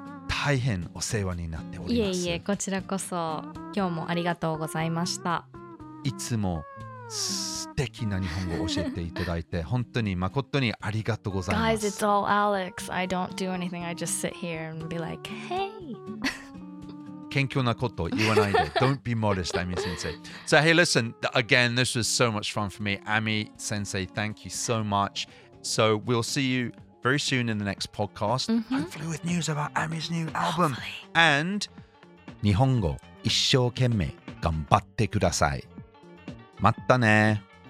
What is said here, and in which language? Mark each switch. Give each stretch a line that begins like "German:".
Japanese: 大変お世話になっております。いえいえ、こちらこそ今日もありがとうございました。いつも素敵な日本語を教えていただいて本当に誠にありがとうございます。
English: Guys, it's all Alex. I don't do anything. I just sit here and be like, hey.
Japanese: 謙虚なことを言わないで。
English: Don't be modest, Ami Sensei. So hey, listen, again, this was so much fun for me. Ami Sensei, thank you so much. So we'll see you very soon in the next podcast. Mm-hmm. Hopefully with news about Ami's new album. Hopefully.
Japanese: And 日本語一生懸命頑張ってください。またね。